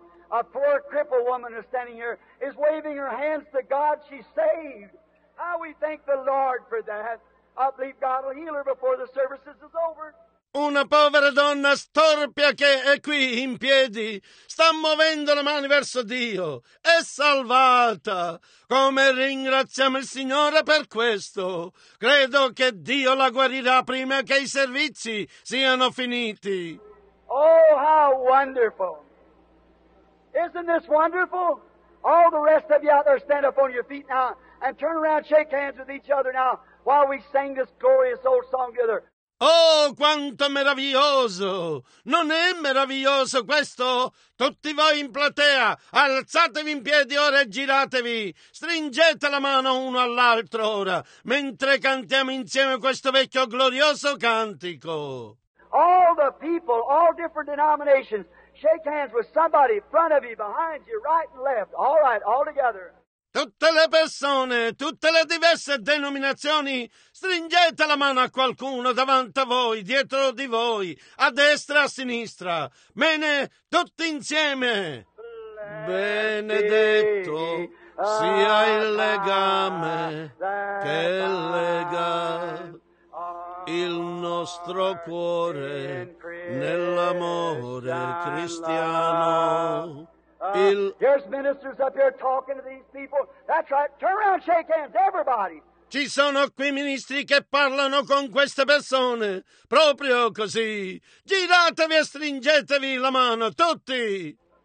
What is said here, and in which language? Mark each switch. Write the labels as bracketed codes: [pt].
[en] A poor crippled woman is standing here, is waving her hands to God she saved. How we thank the Lord for that. I believe God will heal her before the services is over. [it] Una povera donna storpia che è qui in piedi, sta muovendo le mani verso Dio, è salvata. Come ringraziamo il Signore per questo. Credo che Dio la guarirà prima che i servizi siano finiti. [en] Oh, how wonderful! Isn't this wonderful? All the rest of you out there, stand up on your feet now and turn around, shake hands with each other now while we sing this glorious old song together. [it] Oh, quanto meraviglioso! Non è meraviglioso questo? Tutti voi in platea, alzatevi in piedi ora e giratevi! Stringete la mano uno all'altro ora, mentre cantiamo insieme questo vecchio glorioso cantico! [en] All the people, all different denominations, shake hands with somebody in front of you, behind you, right and left, all right, all together! [it] Tutte le persone, tutte le diverse denominazioni, stringete la mano a qualcuno davanti a voi, dietro di voi, a destra, a sinistra. Bene, tutti insieme. Benedetto sia il legame che lega il nostro cuore nell'amore cristiano. [en] There's ministers up here talking to these people. That's right. Turn around, shake hands, everybody. [it] Ci sono qui ministri che parlano con queste persone. Proprio così. Giratevi e stringetevi la mano, tutti.